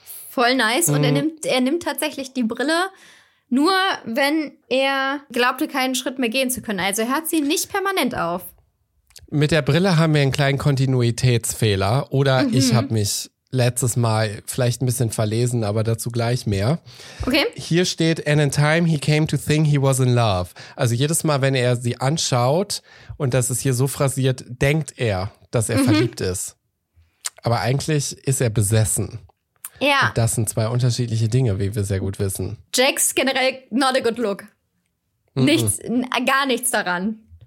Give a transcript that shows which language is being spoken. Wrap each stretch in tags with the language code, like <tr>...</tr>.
<de>Voll nice. Mhm. Und er nimmt tatsächlich die Brille. Nur wenn er glaubte, keinen Schritt mehr gehen zu können. Also er hat sie nicht permanent auf. Mit der Brille haben wir einen kleinen Kontinuitätsfehler. Oder ich habe mich letztes Mal vielleicht ein bisschen verlesen, aber dazu gleich mehr. Okay. Hier steht,</de> <en>and in time he came to think he was in love.</en> <de>Also jedes Mal, wenn er sie anschaut und das ist hier so phrasiert, denkt er, dass er verliebt ist. Aber eigentlich ist er besessen. Ja. Das sind zwei unterschiedliche Dinge, wie wir sehr gut wissen.</de> <en>Jax generell not a good look.</en> <de>Mm-mm. Nichts, gar nichts daran.</de>